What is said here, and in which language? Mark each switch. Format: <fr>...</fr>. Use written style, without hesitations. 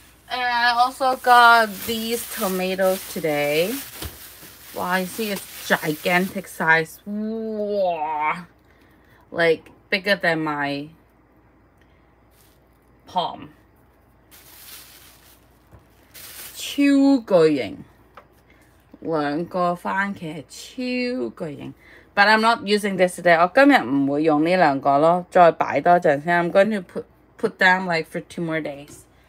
<en>And I also got these tomatoes today. Wow, you see it's. Gigantic size, wow, like bigger than my palm.</en> <yue>超巨型，兩個番茄超巨型，</yue> <en>But I'm not using this today.</en> <yue>我今日唔會用呢兩個咯，再擺多陣先。</yue> <en>I'm going to put them like for two more days.</en>